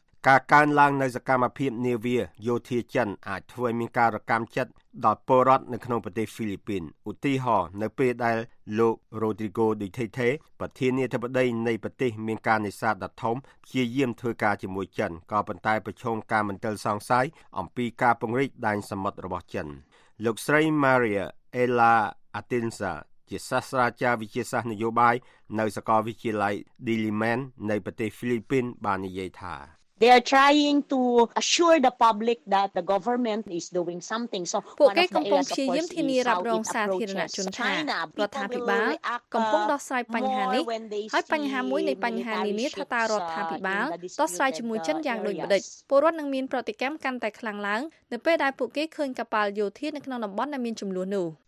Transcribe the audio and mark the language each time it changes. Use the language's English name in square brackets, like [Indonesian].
[Khmer] ការកើនឡើងនៃសកម្មភាពនាវាយោធាចិនអាចធ្វើឲ្យមានការរកម្មចិត្តដល់ពលរដ្ឋនៅក្នុងប្រទេសហ្វីលីពីនឧទាហរណ៍នៅពេលដែលលោករ៉ូទ្រីโกឌីទេទេប្រធានាធិបតីនៃប្រទេសមានការនេសាទដ៏ធំព្យាយាមធ្វើការជាមួយចិនក៏ប៉ុន្តែប្រឈមការមិនទល់សង្ស័យអំពីការពង្រីកដែនសមុទ្ររបស់ចិនលោកស្រី Maria Ella Atienza ជាសាស្ត្រាចារ្យវិទ្យាសាស្ត្រនយោបាយនៅសាកលវិទ្យាល័យ Diliman នៃប្រទេសហ្វីលីពីនបាននិយាយថា [English] They are trying to assure the public that the government is doing something. So, [Khmer] ពួកគេកំពុងព្យាយាមធានារ៉ាប់រងសាធារណជនថាប្រតិភិបាលកំពុងដោះស្រាយបញ្ហានេះហើយបញ្ហាមួយនៃបញ្ហានេះថាតើរដ្ឋាភិបាលដោះស្រាយជាមួយចិនយ៉ាងដូចម្តេចពលរដ្ឋនឹងមានប្រតិកម្មកាន់តែខ្លាំងឡើងនៅពេលដែលពួកគេឃើញកប៉ាល់យោធានៅក្នុងតំបន់ដែលមានចំនួននោះ